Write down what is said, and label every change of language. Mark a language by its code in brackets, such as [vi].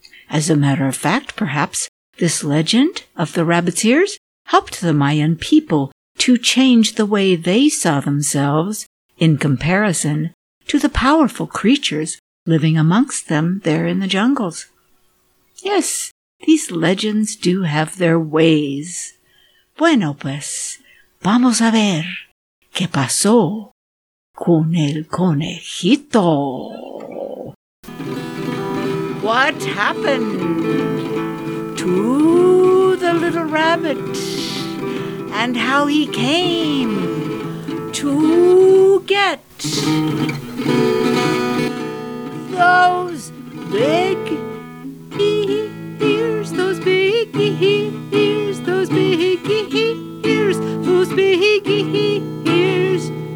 [en] As a matter of fact, perhaps this legend of the rabbit's ears helped the Mayan people to change the way they saw themselves in comparison to the powerful creatures living amongst them there in the jungles. Yes, these legends do have their ways. [es] Bueno, pues, vamos a ver qué pasó con el conejito. [en] What happened to the little rabbit and how he came to get those big ears, those big ears, those big ears, those big ears.